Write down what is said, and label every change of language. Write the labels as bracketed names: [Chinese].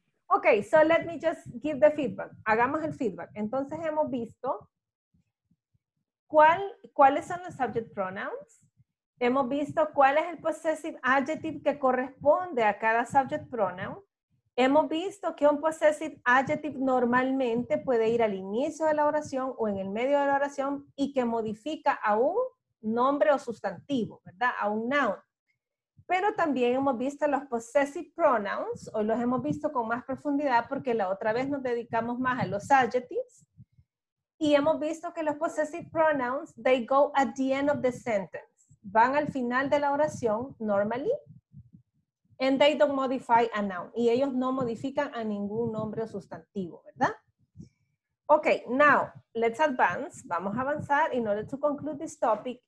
[English] Ok, so let me just give the feedback. [Spanish] Hagamos el feedback. Entonces hemos visto cuáles son los subject pronouns. Hemos visto cuál es el possessive adjective que corresponde a cada subject pronoun. Hemos visto que un possessive adjective normalmente puede ir al inicio de la oración o en el medio de la oración y que modifica a un nombre o sustantivo, ¿verdad? A un noun. Pero también hemos visto los possessive pronouns, hoy los hemos visto con más profundidad porque la otra vez nos dedicamos más a los adjectives. Y hemos visto que los [English] possessive pronouns, they go at the end of the sentence. [Spanish] Van al final de la oración, [English] normally. And they don't modify a noun. [Spanish] Y ellos no modifican a ningún nombre o sustantivo, ¿verdad? [English] Ok, now, let's advance. [Spanish] Vamos a avanzar [English] in order to conclude this topic.